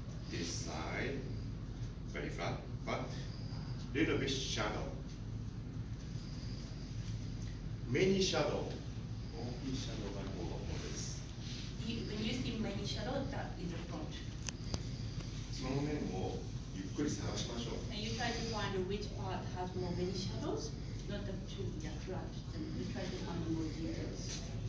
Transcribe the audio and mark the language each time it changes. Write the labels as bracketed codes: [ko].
[en] This side, very flat, but little bit shadow. Many shadow. Only shadow by all of this. When you see many shadow, that is a front. [ja] その面をゆっくり探しましょう。 [en] And you try to find which part has more many shadows, not the two that are flat, and you try to find more details.